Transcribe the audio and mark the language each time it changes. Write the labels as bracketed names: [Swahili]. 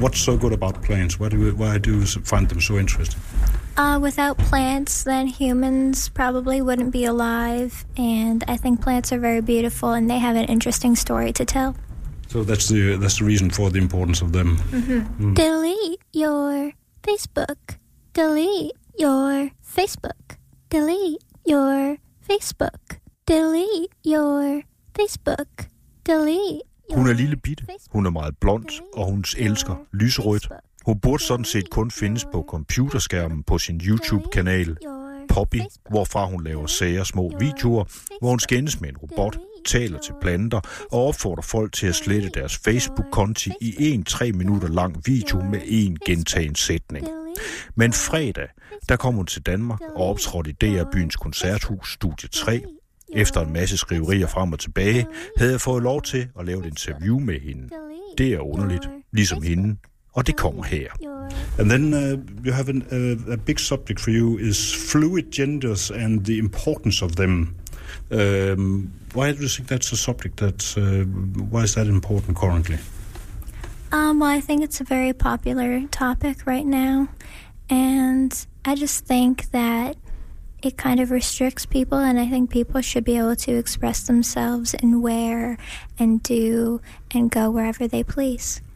[English] What's so good about plants? Why do you find them so interesting? Without plants, then humans probably wouldn't be alive. And I think plants are very beautiful, and they have an interesting story to tell. So that's the reason for the importance of them. Mm-hmm. Delete your Facebook. [Danish] Hun er lille bitte, hun er meget blond, og hun elsker lyserødt. Hun burde sådan set kun findes på computerskærmen på sin YouTube-kanal, Poppy, hvorfra hun laver sære små videoer, hvor hun skændes med en robot, taler til planter og opfordrer folk til at slette deres Facebook-konti i en 3 minutter lang video med en gentagen sætning. Men fredag, der kom hun til Danmark og optrådte i DR Byens Koncerthus Studie 3. Efter en masse skriverier frem og tilbage, havde jeg fået lov til at lave et interview med hende. Det er underligt, ligesom hende. Og det kommer her. [English] And then you have a big subject for you is fluid genders and the importance of them. Why do you think that's a subject that's why is that important currently? Well, I think it's a very popular topic right now, and I just think that it kind of restricts people, and I think people should be able to express themselves and wear and do and go wherever they please.